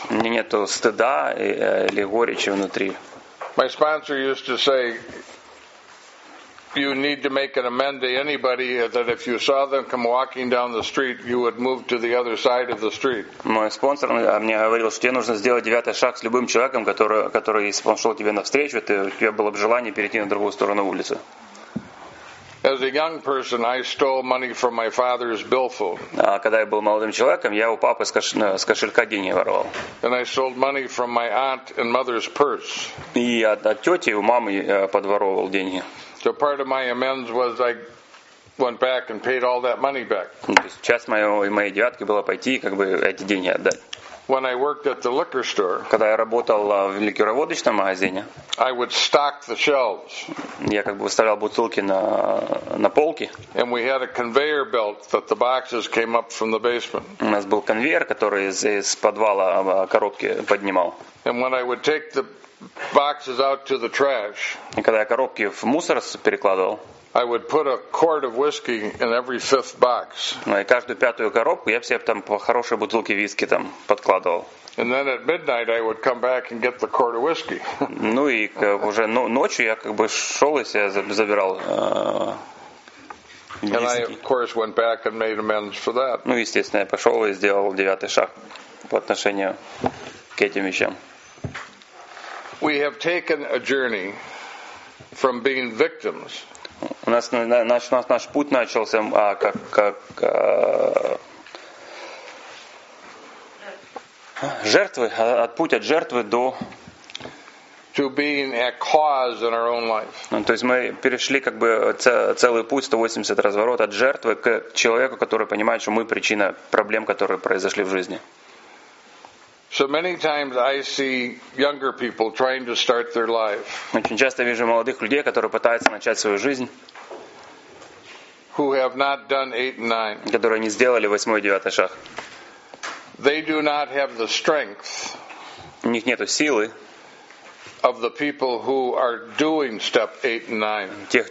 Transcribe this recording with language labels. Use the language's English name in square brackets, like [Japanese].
[Russian] У меня нету стыда или горечи внутри. [English] My sponsor used to say, you need to make an amend to anybody that if you saw them come walking down the street, you would move to the other side of the street. [Russian] Мой спонсор мне говорил, что тебе нужно сделать 9-й шаг с любым человеком, который если он шел тебе навстречу, у тебя было бы желание перейти на другую сторону улицы. [English] As a young person, I stole money from my father's billfold. [Russian] Когда я был молодым человеком, я у папы с кошелька деньги воровал. [English] And I stole money from my aunt and mother's purse. [Russian] И от тети, у мамы подворовывал деньги. [English] So part of my amends was I went back and paid all that money back. [Russian] Часть моей девятки была пойти и как бы эти деньги отдать. [English] When I worked at the liquor store, [Russian] когда я работал в ликероводочном магазине, [English] I would stock the shelves. [Russian] Я как бы выставлял бутылки на полки. [English] And we had a conveyor belt that the boxes came up from the basement. [Russian] У нас был конвейер, который из подвала коробки поднимал. [English] And when I would take the boxes out to the trash, [Russian] и когда я коробки в мусор перекладывал, [English] I would put a quart of whiskey in every fifth box. [Russian] Ну и каждую пятую коробку я себе там по хорошей бутылке виски там подкладывал. [English] And then at midnight I would come back and get the quart of whiskey. [Russian] Ну и уже ночью я как бы шел и себе забирал виски. [English] And I of course went back and made amends for that. [Russian] Ну естественно я пошел и сделал 9-й шаг по отношению к этим вещам. [English] We have taken a journey from being victims. [Russian] У нас наш путь начался как жертвы, от путь от жертвы до [English] to being a cause in our own life. [Russian] Ну, то есть мы перешли как бы целый путь 180 разворот от жертвы к человеку, который понимает, что мы причина проблем, которые произошли в жизни. [English] So many times I see younger people trying to start their life. [Russian] Очень часто вижу молодых людей, которые пытаются начать свою жизнь. [English] Who have not done 8 and 9. [Russian] Которые не сделали 8 и 9 шаг. [English] They do not have the strength. [Russian] У них нету силы. [English] Of the people who are doing step 8 and 9.